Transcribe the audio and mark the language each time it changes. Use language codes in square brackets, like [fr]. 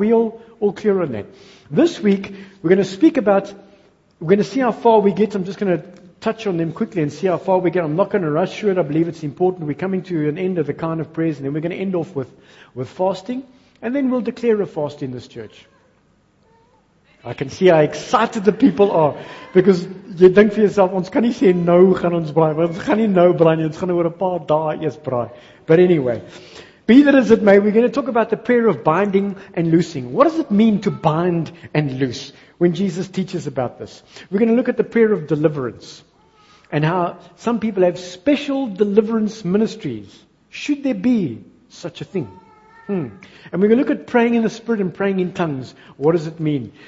[en] Are we all clear on that? This week, we're going to speak about, we're going to see how far we get. I'm just going to touch on them quickly and see how far we get. I'm not going to rush through it. I believe it's important. We're coming to an end of the kind of prayers, and then we're going to end off with fasting. And then we'll declare a fast in this church. I can see how excited the people are. Because you think for yourself, [af] ons kan nie sê nou gaan ons braai. Ons gaan nie nou braai nie. Ons gaan oor 'n paar dae eers braai. [en] But anyway, be that as it may, we're going to talk about the prayer of binding and loosing. What does it mean to bind and loose when Jesus teaches about this? We're going to look at the prayer of deliverance and how some people have special deliverance ministries. Should there be such a thing? And we're going to look at praying in the Spirit and praying in tongues. What does it mean?